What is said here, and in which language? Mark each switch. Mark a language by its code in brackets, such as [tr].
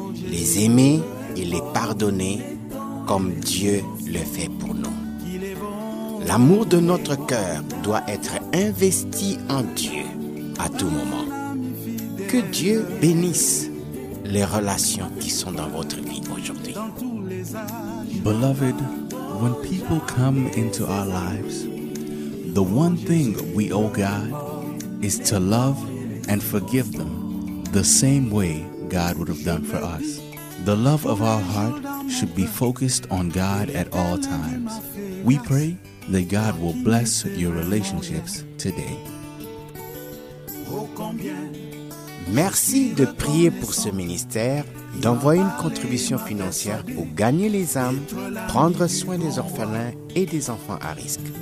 [fr] Les aimer et les pardonner comme Dieu le fait pour nous. L'amour de notre cœur doit être investi en Dieu à tout moment. Que Dieu bénisse les relations qui sont dans votre vie aujourd'hui. [en] Beloved, when people come into our lives, the one thing we owe God is to love and forgive them the same way God would have done for us. The love of our heart should be focused on God at all times. We pray that God will bless your relationships today. [fr] Merci de prier pour ce ministère, d'envoyer une contribution financière pour gagner les âmes, prendre soin des orphelins et des enfants à risque.